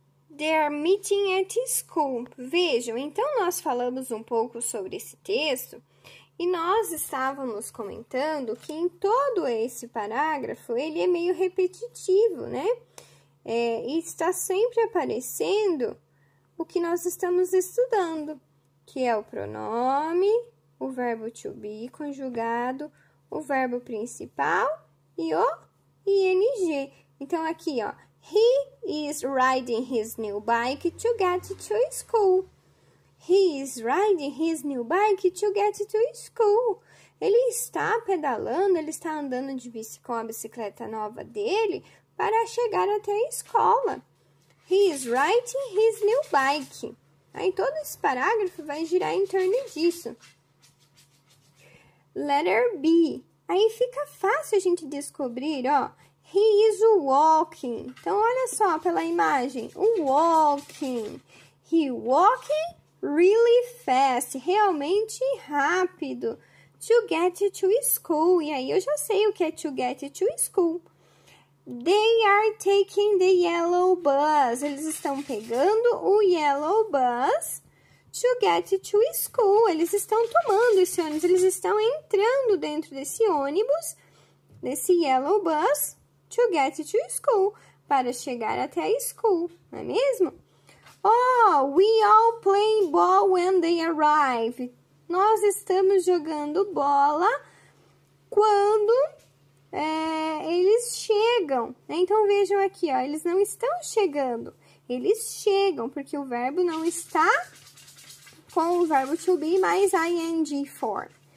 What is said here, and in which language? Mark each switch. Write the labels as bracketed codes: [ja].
[en] They are meeting at school. [pt] Vejam, então nós falamos um pouco sobre esse texto e nós estávamos comentando que em todo esse parágrafo ele é meio repetitivo, né? É, e está sempre aparecendo o que nós estamos estudando, que é o pronome, o verbo to be conjugado, o verbo principal e o ing. Então, aqui, ó. [en] He is riding his new bike to get to school. He is riding his new bike to get to school. [pt] Ele está pedalando, ele está andando de bicicleta com a bicicleta nova dele para chegar até a escola. [en] He is riding his new bike. [pt] Aí todo esse parágrafo vai girar em torno disso. [en] Letter B. [pt] Aí fica fácil a gente descobrir, ó. [en] He is walking. [pt] Então, olha só pela imagem. [en] Walking. He walking really fast. [pt] Realmente rápido. [en] To get to school. [pt] E aí, eu já sei o que é to get to school. [en] They are taking the yellow bus. [pt] Eles estão pegando o yellow bus [en] to get to school. [pt] Eles estão tomando esse ônibus. Eles estão entrando dentro desse ônibus, desse yellow bus. [en] To get to school, [pt] para chegar até a school, não é mesmo? [en] Oh, we all play ball when they arrive. [pt] Nós estamos jogando bola quando eles chegam. Então, vejam aqui, ó, eles não estão chegando, eles chegam, porque o verbo não está com o verbo to be mais ing for.